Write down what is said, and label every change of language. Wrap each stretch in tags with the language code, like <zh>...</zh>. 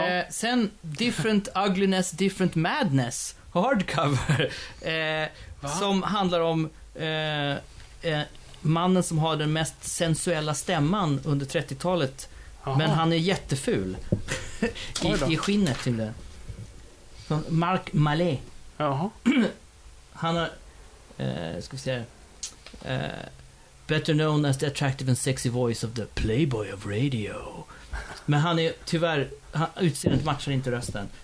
<sv>Sen Different Ugliness, Different Madness hardcover, som handlar om mannen som har den mest sensuella stämman under 30-talet. Aha. Men han är jätteful i skinnet till det. Mark Mallet. Han har ska vi se,</sv> <en>better known as the attractive and sexy voice of the Playboy of Radio.</en> <sv>Men han är tyvärr, utseendet matchar inte rösten.</sv>